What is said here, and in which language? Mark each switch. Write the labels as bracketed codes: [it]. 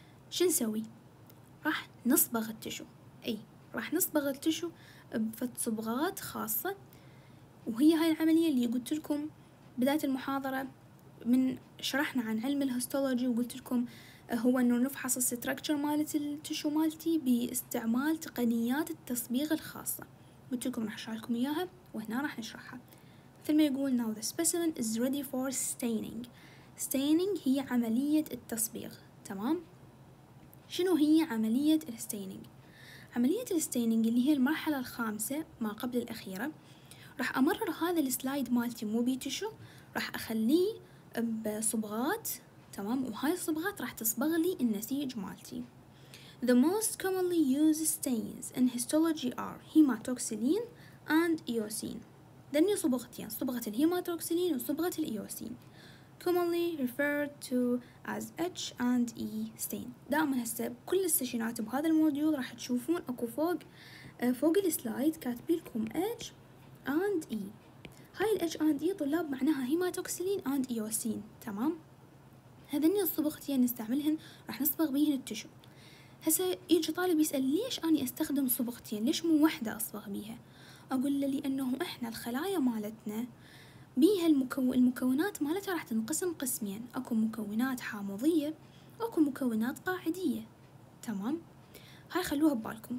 [ar] شو نسوي؟ راح نصبغ التشو، أي راح نصبغ التشو بفت صبغات خاصة، وهي هاي العملية اللي قلت لكم بداية المحاضرة من شرحنا عن علم الهستولوجي وقلت لكم هو أنه نفحص الستركتشر مالت التشو مالتي باستعمال تقنيات التصبيغ الخاصة، قلت لكم راح أشرح لكم إياها وهنا راح نشرحها. مثل ما يقول [en] now the specimen is ready for staining. [ar] Staining هي عملية التصبيغ، تمام؟ شنو هي عملية الستينينج؟ عملية الستينينج اللي هي المرحلة الخامسة ما قبل الأخيرة، راح أمرر هذا السلايد مالتي مو بيتشو، راح أخليه بصبغات تمام، وهاي الصبغات راح تصبغ لي النسيج مالتي. [en] The most commonly used stains in histology are hematoxylin and eosin. [ar] دني صبغتين، صبغة الهيماتوكسيلين وصبغة الإيوسين، [en] commonly referred to as H and E stain. [ar] دائما هسه كل السيشنات بهذا الموديول راح تشوفون اكو فوق السلايد كاتب لكم H and E. هاي ال H and E طلاب معناها هيماتوكسيلين and إيوسين، تمام. هذني الصبغتين نستعملهن راح نصبغ بيهن التشو. هسه يجي طالب يسأل ليش أنا استخدم صبغتين، ليش مو واحدة أصبغ بيها؟ أقول له لأنه إحنا الخلايا مالتنا بيها المكونات مالتها راح تنقسم قسمين، أكو مكونات حامضية أكو مكونات قاعدية، تمام؟ هاي خلوها ببالكم.